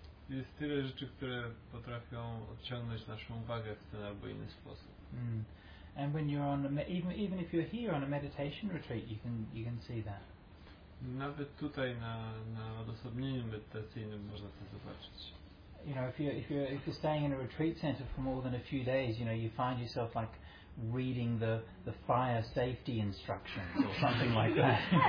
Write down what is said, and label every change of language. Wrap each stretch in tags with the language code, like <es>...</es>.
<pl>Jest tyle rzeczy, które potrafią odciągnąć naszą uwagę w ten albo inny sposób.</pl> <en>And when you're on even if you're here on a meditation retreat, you can see that.</en> <pl>Nawet tutaj na odosobnieniu medytacyjnym można to zobaczyć.</pl> <en>You know, if you're staying in a retreat center for more than a few days, you know, you find yourself like reading the fire safety instructions or something like that.</en>